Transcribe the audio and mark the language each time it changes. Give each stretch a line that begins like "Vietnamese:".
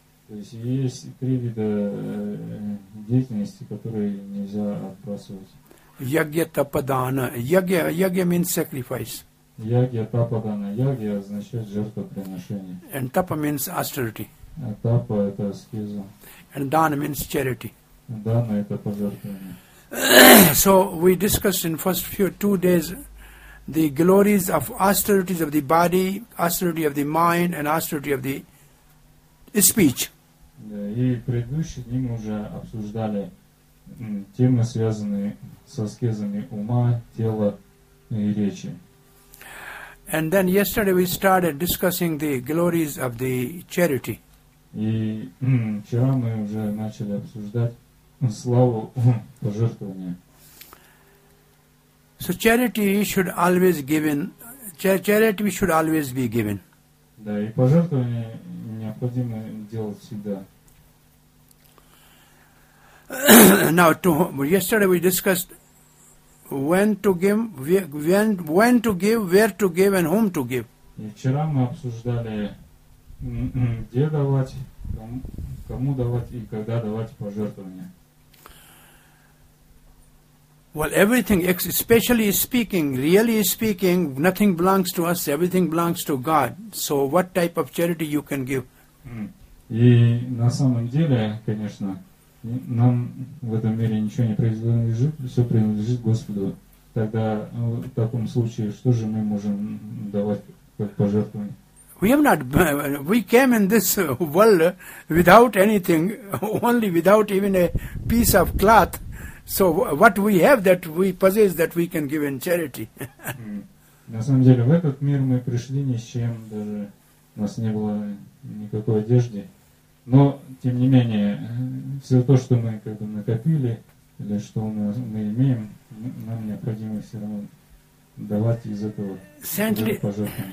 Russian: То есть есть три вида деятельности, которые нельзя отбрасывать.
English: Ягья-тападана. Ягья means sacrifice.
Russian: Ягья-тападана. Ягья означает жертвоприношение.
English: And tapa means austerity.
Russian: Тапа – это аскеза.
English: And dana means charity.
Russian: Дана – это пожертвование.
English: So we discussed in first few two days the glories of austerities of the body, austerity of the mind, and austerity of the speech.
Russian: И в предыдущие дни мы уже обсуждали темы, связанные с аскезами ума, тела и речи.
English: And then yesterday we started discussing the glories of the charity.
Russian: И вчера мы уже начали обсуждать славу пожертвования.
English: So charity should always given. Charity should always be given.
Russian: Да, и пожертвования необходимо делать всегда.
English: Now, yesterday we discussed when to give, where to give, and whom to give.
Russian: И вчера мы обсуждали, где давать, кому давать и когда давать пожертвования.
English: Well, everything, especially speaking, really speaking, nothing belongs to us, everything belongs to God. So what type of charity you can give?
Russian: И на самом деле, конечно, нам в этом мире ничего не принадлежит, все принадлежит Господу. Тогда в таком случае, что же мы можем давать как пожертвование?
English: We came in this world without anything, only without even a piece of cloth. So what we have that we possess that we can give in charity.
Russian: На самом деле, в этот мир мы пришли ни с чем, даже у нас не было никакой одежды. Но, тем не менее, все то, что мы как бы накопили, или что у нас, мы имеем, нам необходимо все равно давать из этого пожертвования.